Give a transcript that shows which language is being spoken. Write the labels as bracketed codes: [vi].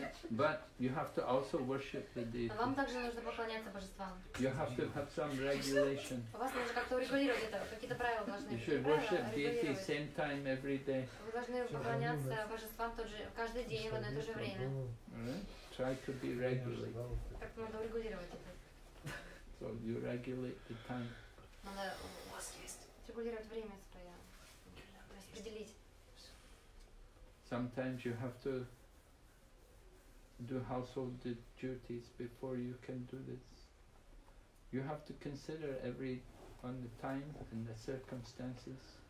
[en] But you have to also worship the deity. [ru] Вам также нужно поклоняться божествам. [en] You have to have some regulation. [ru] У вас нужно как-то регулировать это, какие-то правила должны быть. [en] You should worship deity same time every day. [ru] Вы должны поклоняться божествам тот же каждый день в одно и то же время. [en] Try to be regular. [ru] Как-то надо урегулировать это. [en] So you regulate the time. [ru] Надо у вас есть регулировать время свое, распределить. [en] Sometimes you have to do household duties before you can do this. You have to consider every on the time and the circumstances.